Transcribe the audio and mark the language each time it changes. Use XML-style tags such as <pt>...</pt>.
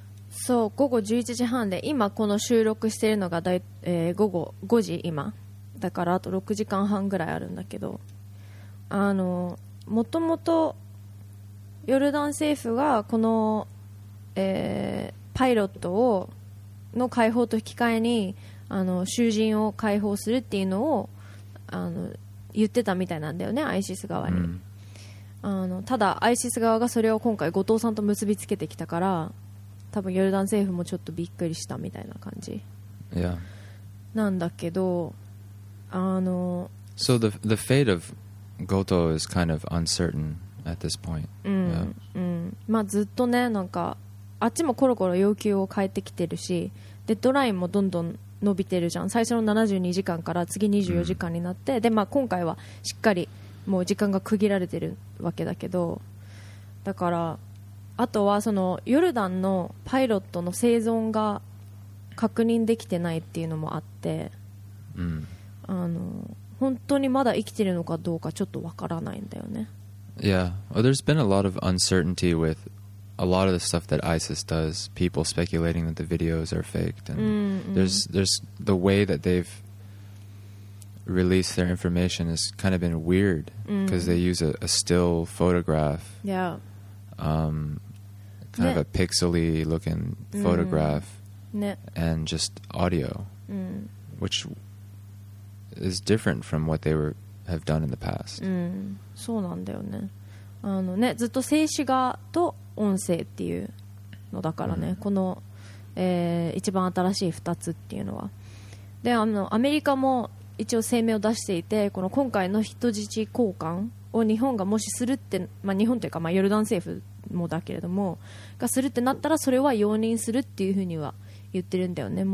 <ja>そう、午後11時半で、今この収録しているのが午後5時今だから、あと6時間半ぐらいあるんだけど、もともとヨルダン政府がこの、パイロットをの解放と引き換えに、囚人を解放するっていうのを言ってたみたいなんだよね、 ISIS 側に、うん、ただ ISIS 側がそれを今回後藤さんと結びつけてきたから、多分ヨルダン政府もちょっとびっくりしたみたいな感じ、</ja> <en>yeah.</en> <ja>なんだけど、</ja> <en>So the fate of Goto is kind of uncertain at this point、 yeah.</en> <ja>まあずっとね、なんかあっちもコロコロ要求を変えてきてるし、デッドラインもどんどん伸びてるじゃん。最初の72時間から次24時間になって、うん、で、まあ、今回はしっかりもう時間が区切られてるわけだけど、だからあとはそのヨルダンのパイロットの生存が確認できてないっていうのもあって、うん、本当にまだ生きてるのかどうかちょっとわからないんだよね。</ja> <en>Yeah, there's been a lot of uncertainty withA lot of the stuff that ISIS does, people speculating that the videos are faked, and there's the way that they've released their information has kind of been weird because they use a still photograph, yeah, kind of a pixely looking photograph, and just audio, which is different from what they have done in the past.</en> <ja>そうなんだよね。ね、ずっと静止画と音声っていうのだからね、この、一番新しい2つっていうのは。で、アメリカも一応声明を出していて、この今回の人質交換を日本がもしするって、まあ、日本というか、まあ、ヨルダン政府もだけれどもがするってなったら、それは容認するっていうふうには言ってるんだよね。</ja>